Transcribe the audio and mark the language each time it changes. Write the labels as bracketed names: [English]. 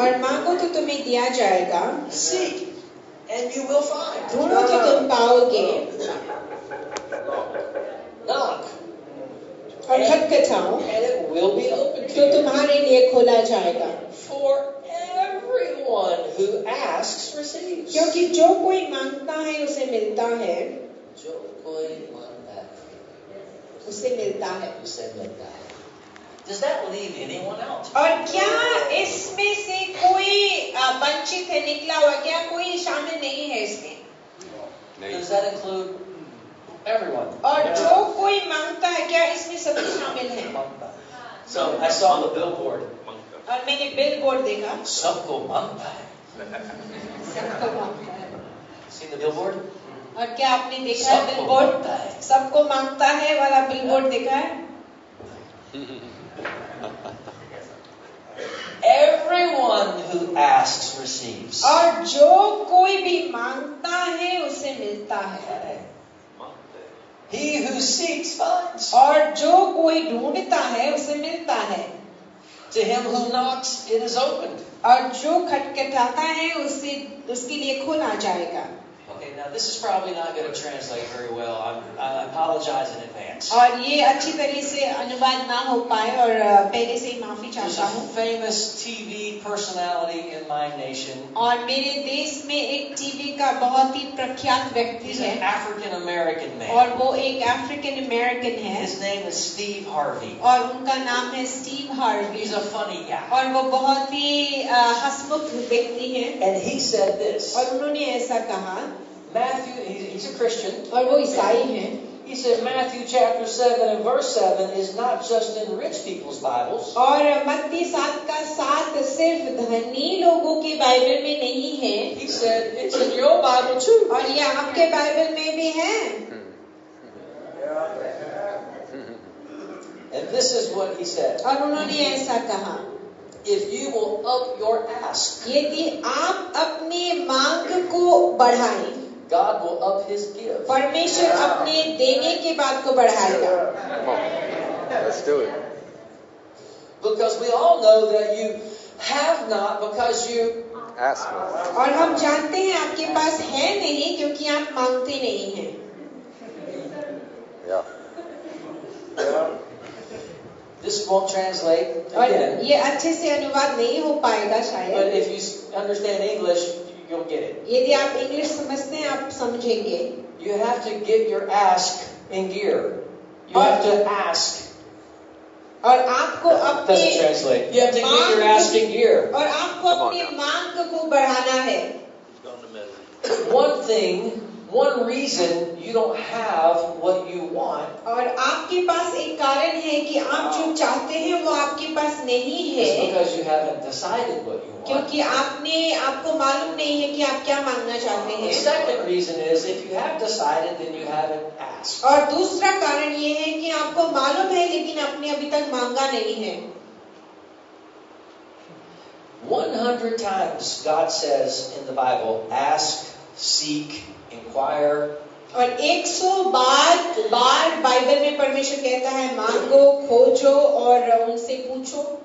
[Hindi] और मांगो तो तुम्हें दिया जाएगा. [English] Seek and you will find. [Hindi] ढूंढो तो तुम पाओगे. [English] Knock. [Hindi] और खटखटाओ. [English] And it will be opened to you. [Hindi] तो तुम्हारे लिए खोला जाएगा. [English] For everyone who asks receives. [Hindi] क्योंकि जो कोई मांगता है उसे मिलता है. जो कोई उसे मिलता है. उसे मिलता है. [English] Does that leave anyone out? [Hindi] और क्या इसमें से कोई वंचित है, निकला हुआ, क्या कोई शामिल नहीं है इसमें? [English] Does that include everyone? [Hindi] और जो कोई मांगता है क्या इसमें सभी शामिल हैं? [English] So I saw on the billboard. [Hindi] और मैंने billboard देखा. सबको मांगता है. सबको मांगता है. [English] See the billboard? [Hindi] और क्या आपने देखा है बिलबोर्ड? सबको मांगता है वाला बिलबोर्ड देखा है? [English] Everyone who asks receives. [Hindi] और जो कोई भी मांगता है उसे मिलता है. [English] He who seeks finds. [Hindi] और जो कोई ढूंढता है उसे मिलता है. [English] To him who knocks, it is opened. [Hindi] और जो खटखटाता है उसे उसके लिए खोला जाएगा. [English] Now this is probably not going to translate very well. I apologize in advance. [Hindi] और ये अच्छी तरह से अनुवाद ना हो पाए और पहले से ही माफी चाहता हूँ. [English] There's a famous TV personality in my nation. [Hindi] और मेरे देश में एक टीवी का बहुत ही प्रख्यात व्यक्ति है. [English] He's an African American man. [Hindi] और वो एक African American है. [English] His name is Steve Harvey. [Hindi] और उनका नाम है Steve Harvey. [English] He's a funny guy. [Hindi] और वो बहुत ही हसमुख व्यक्ति है. [English] And he said this. [Hindi] और उन्होंने ऐसा कहा. [English] Matthew, he's a Christian. [Hindi] और वो ईसाई हैं. [English] He said Matthew chapter 7 and verse 7 is not just in rich people's Bibles. [Hindi] और मत्ती 7 का 7 सिर्फ धनी लोगों के बाइबल में नहीं है. [English] He said it's in your Bible too. [Hindi] और ये आपके बाइबल में भी है. [English] And this is what he said. [Hindi] और उन्होंने ऐसा कहा. [English] If you will up your ask, [Hindi] यदि आप अपनी मांग को बढ़ाएं, [English] God will up His gift. [Hindi] परमेश्वर अपने देने के बात को बढ़ाएगा. [English] Come on, let's do it. Because we all know that you have not because you ask not. [Hindi] और हम जानते हैं आपके पास है नहीं क्योंकि आप मांगते नहीं हैं. [English] Yeah. This won't translate. [Hindi] ये अच्छे से अनुवाद नहीं हो पाएगा शायद. [English] But if you understand English, you'll get it. [Hindi] यदि आप इंग्लिश समझते हैं आप समझेंगे. [English] You have to get your ask in gear. You have to ask. [Hindi] और आपको अपने [English] doesn't translate. You have to get your ask in gear. [Hindi] और आपको अपनी मांग को बढ़ाना है. [English] One thing. One reason you don't have what you want. [Hindi] और आपके पास एक कारण है कि आप जो चाहते हैं वो आपके पास नहीं है. [English] It's because you haven't decided what you want. [Hindi] क्योंकि आपने आपको मालूम नहीं है कि आप क्या मांगना चाहते हैं. [English] The second reason is if you have decided, then you haven't asked. [Hindi] और दूसरा कारण ये है कि आपको मालूम है लेकिन आपने अभी तक मांगा नहीं है. [English] 100 times God says in the Bible, ask, seek. Inquire. [Hindi] और 100 बार बाइबल में परमेश्वर कहता है मांगो खोजो और उनसे पूछो.